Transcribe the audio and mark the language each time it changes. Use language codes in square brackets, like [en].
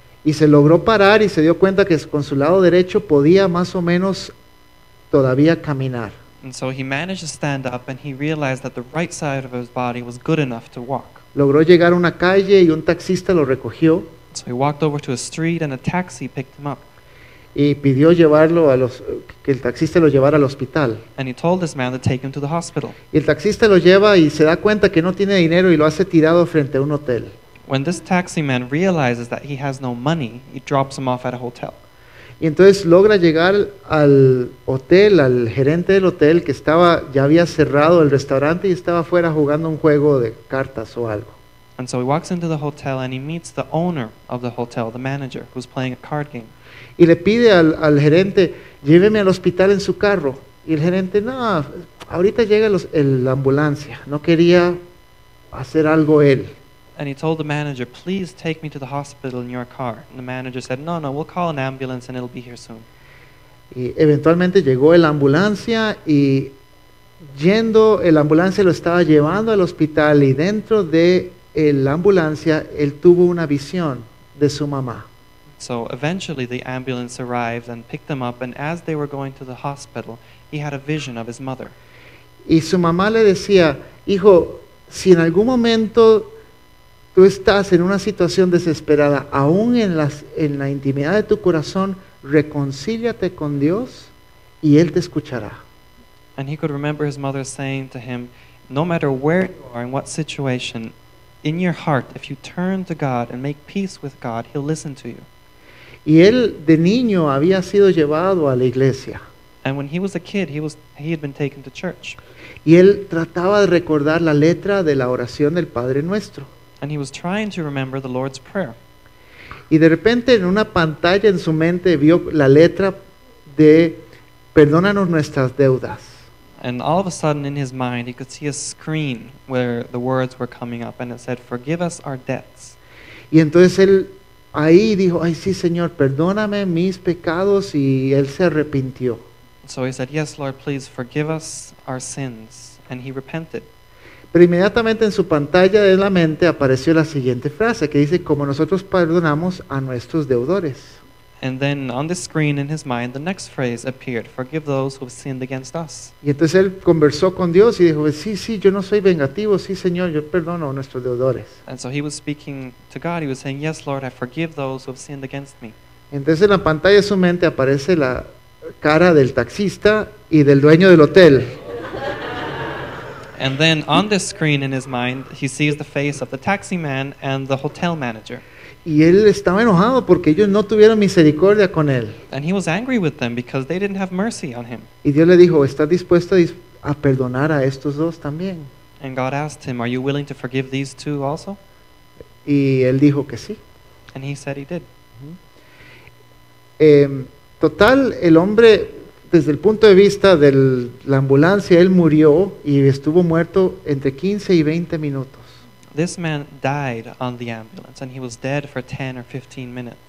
[es] Y se logró parar y se dio cuenta que con su lado derecho podía más o menos todavía caminar. [en] And so he managed to stand up and he realized that the right side of his body was good enough to walk. [es] Logró llegar a una calle y un taxista lo recogió. [en] So he walked over to a street and a taxi picked him up. [es] Y pidió llevarlo a los que el taxista lo llevara al hospital. [en] And he told this man to take him to the hospital. [es] Y el taxista lo lleva y se da cuenta que no tiene dinero y lo hace tirado frente a un hotel. [en] When this taxi man realizes that he has no money, he drops him off at a hotel. [es] Y entonces logra llegar al hotel, al gerente del hotel, que estaba, ya había cerrado el restaurante y estaba afuera jugando un juego de cartas o algo. [en] And so he walks into the hotel and he meets the owner of the hotel, the manager, who's playing a card game. [es] Y le pide al gerente, lléveme al hospital en su carro. Y el gerente, no, ahorita llega la ambulancia. No quería hacer algo él. [en] And he told the manager, please take me to the hospital in your car. And the manager said, no, we'll call an ambulance and it'll be here soon. [es] Y eventualmente llegó la ambulancia y yendo, la ambulancia lo estaba llevando al hospital y dentro de la ambulancia, él tuvo una visión de su mamá. [en] So eventually the ambulance arrived and picked him up, and as they were going to the hospital, he had a vision of his mother. [es] Y su mamá le decía, hijo, si en algún momento tú estás en una situación desesperada, aún en la intimidad de tu corazón, reconcíliate con Dios y Él te escuchará. [en] And he could remember his mother saying to him, no matter where you are, in what situation, in your heart, if you turn to God and make peace with God, He'll listen to you. [es] Y él de niño había sido llevado a la iglesia. [en] And when he was a kid, he had been taken to church. [es] Y él trataba de recordar la letra de la oración del Padre Nuestro. [en] And he was trying to remember the Lord's Prayer. [es] Y de repente en una pantalla en su mente vio la letra de Perdónanos nuestras deudas. [en] And all of a sudden in his mind he could see a screen where the words were coming up and it said Forgive us our debts. [es] Y entonces él ahí dijo, ay sí, Señor, perdóname mis pecados, y él se arrepintió. [en] So he said, yes, Lord, please forgive us our sins, and he repented. [es] Pero inmediatamente en su pantalla de la mente apareció la siguiente frase que dice, como nosotros perdonamos a nuestros deudores. [en] And then on the screen in his mind, the next phrase appeared, forgive those who have sinned against us. [es] Y entonces él conversó con Dios y dijo, sí, yo no soy vengativo, sí, Señor, yo perdono a nuestros deudores. [en] And so he was speaking to God, he was saying, yes, Lord, I forgive those who have sinned against me. [es] Entonces en la pantalla de su mente aparece la cara del taxista y del dueño del hotel. [en] And then on the screen in his mind, he sees the face of the taxi man and the hotel manager. [es] Y él estaba enojado porque ellos no tuvieron misericordia con él. [en] And he was angry with them because they didn't have mercy on him. [es] Y Dios le dijo, ¿estás dispuesto a perdonar a estos dos también? [en] And God asked him, are you willing to forgive these two also? [es] Y él dijo que sí. [en] And he said he did. Uh-huh. [es] Total, el hombre, desde el punto de vista de la ambulancia, él murió y estuvo muerto entre 15 y 20 minutos. [en] This man died on the ambulance and he was dead for 10 or 15 minutes.